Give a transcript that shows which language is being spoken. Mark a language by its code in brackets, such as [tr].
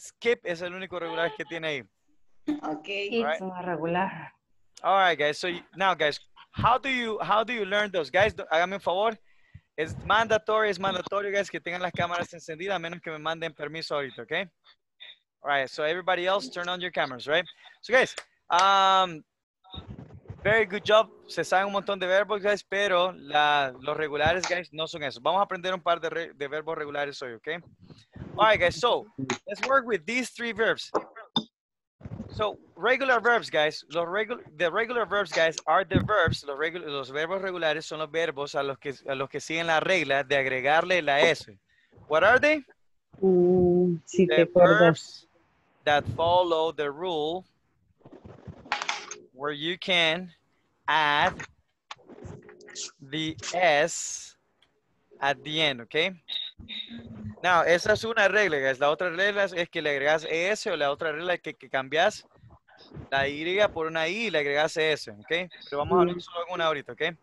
[es] Skip es el único regular que tiene ahí. [en] Okay, right. It's not regular. All right, guys. So now, guys, how do you learn those? [es] Guys, hágame un favor. Es mandatorio, guys, que tengan las cámaras encendidas, a menos que me manden permiso ahorita, okay? [en] All right, so everybody else, turn on your cameras, right? So, guys, very good job. [es] Se saben un montón de verbos, guys, pero los regulares, guys, no son eso. Vamos a aprender un par de verbos regulares hoy, okay? [en] All right, guys, so let's work with these three verbs. So, regular verbs, guys, [es] los verbos regulares son los verbos a los que siguen la regla de agregarle la S. [en] What are they? [es] Si [en] the verbs that follow the rule where you can add the S at the end, okay? [es] Now, esa es una regla, guys. La otra regla es que le agregas ES o la otra regla es que cambias la Y por una I y le agregas ES, ¿ok? Pero vamos a hablar solo en una ahorita, ¿ok?